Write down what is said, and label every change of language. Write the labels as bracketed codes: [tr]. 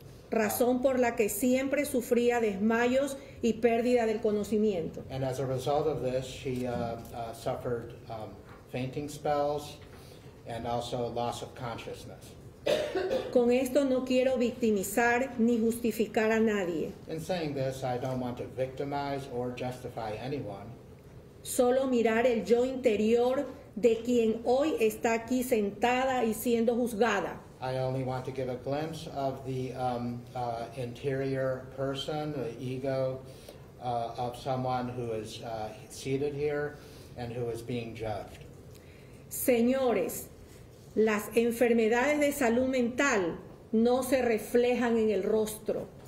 [es] Razón por la que siempre sufría desmayos y pérdida del conocimiento. [en] And as a result of this, she suffered fainting spells and also loss of consciousness. [es] Con esto no quiero victimizar ni justificar a nadie. [en] In saying this, I don't want to victimize or justify anyone. [es] Solo mirar el yo interior de quien hoy está aquí sentada y siendo juzgada. [en] I only want to give a glimpse of the interior person, the ego of someone who is seated here and who is being judged. [es] Señores, las enfermedades de salud mental no se reflejan en el rostro.